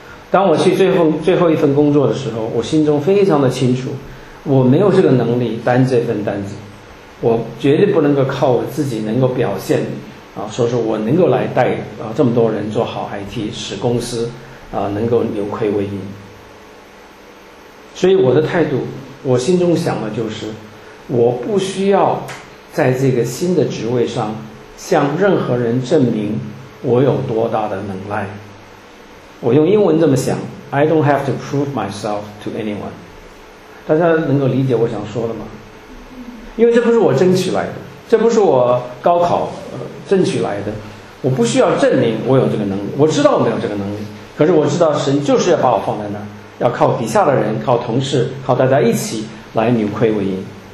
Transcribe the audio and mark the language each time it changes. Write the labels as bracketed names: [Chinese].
[Chinese] 当我去最后一份工作的时候，我心中非常的清楚，我没有这个能力担这份担子，我绝对不能够靠我自己能够表现啊，说是我能够来带这么多人做好 IT， 使公司能够扭亏为盈。所以我的态度，我心中想的就是，我不需要在这个新的职位上向任何人证明我有多大的能耐。我用英文这么想 [English] ：I don't have to prove myself to anyone。 [Chinese] 大家能够理解我想说的吗？因为这不是我争取来的，这不是我高考争取来的，我不需要证明我有这个能力，我知道我没有这个能力，可是我知道神就是要把我放在那儿，要靠底下的人，靠同事，靠大家一起来扭亏为盈。